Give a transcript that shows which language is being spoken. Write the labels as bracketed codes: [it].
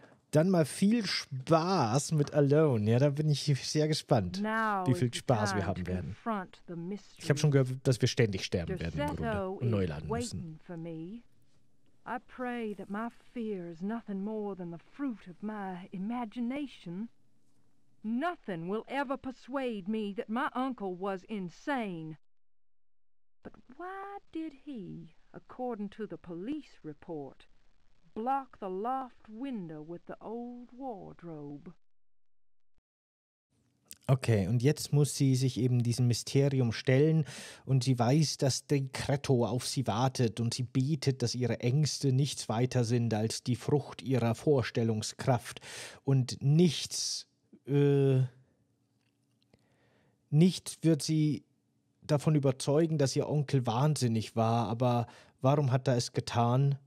[de] Dann mal viel Spaß mit Alone. Ja, da bin ich sehr gespannt, wie viel Spaß wir haben werden. Ich habe schon gehört, dass wir ständig sterben werden im Grunde und neu laden müssen. [en] I pray that my fear is nothing more than the fruit of my imagination. Nothing will ever persuade me that my uncle was insane. But why did he, according to the police report, block the loft window with the old wardrobe? [de] Okay, und jetzt muss sie sich eben diesem Mysterium stellen und sie weiß, dass die Kretto auf sie wartet und sie betet, dass ihre Ängste nichts weiter sind als die Frucht ihrer Vorstellungskraft und nichts wird sie davon überzeugen, dass ihr Onkel wahnsinnig war, aber warum hat er es getan?